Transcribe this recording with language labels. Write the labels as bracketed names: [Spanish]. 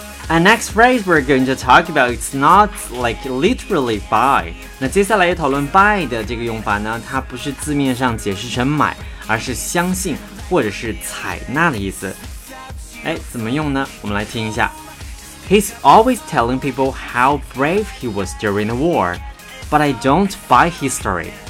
[English] And next phrase we're going to talk about, it's not like literally buy. [Chinese] 那接下来要讨论 buy 的这个用法呢，它不是字面上解释成买，而是相信或者是采纳的意思。哎，怎么用呢？我们来听一下。 [English] He's always telling people how brave he was during the war, but I don't buy his story.